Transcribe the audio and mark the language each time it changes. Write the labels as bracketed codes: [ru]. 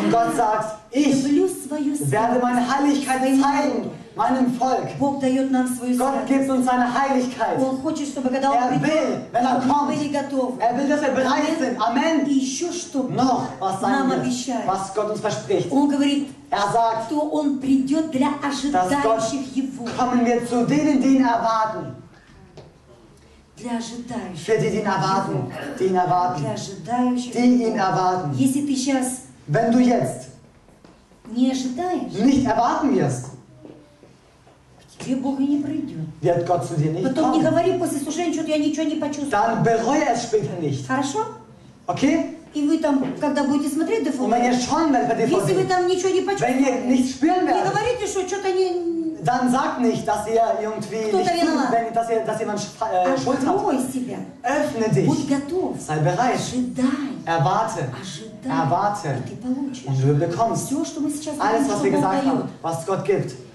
[de] Gott sagt, ich werde meine Heiligkeit zeigen, meinem Volk. [ru] Бог дает нам свою святость. [de] Gott gibt uns seine Heiligkeit. [ru] Он хочет, чтобы когда он придет, [de] will, wenn er kommt, [ru] мы были готовы. [de] Er will, dass wir bereit sind. Amen. [ru] И еще что [de] Noch, [ru] нам обещает. [de] Was Gott uns verspricht. [ru] Он говорит, [de] er sagt, [ru] что он придет для ожидающих его. [de] Kommen wir zu denen, die ihn erwarten. [ru] Для ожидающих. [de] Für die, die ihn erwarten. Die ihn erwarten. [ru] Для ожидающих. [de] Die ihn erwarten. [ru] Если ты сейчас. [de] Wenn du jetzt. [ru] Не ожидаешь. [de] Nicht erwarten wirst. [ru] К тебе Бог и не придет. [de] Wird Gott zu dir nicht [ru] потом [de] kommen. [ru] Не говори после служения, что я ничего не почувствую. [de] Dann bereue es später nicht. [ru] Хорошо? [de] Okay? [ru] И вы там, когда будете смотреть DVD, если вы там ничего не почувствуете, не говорите, что что-то не... [de] Dann sagt nicht, dass ihr irgendwie Schuld habt. Öffne dich. Sei bereit. Erwarte. Erwarte. Und du bekommst alles, was wir gesagt haben, was Gott gibt.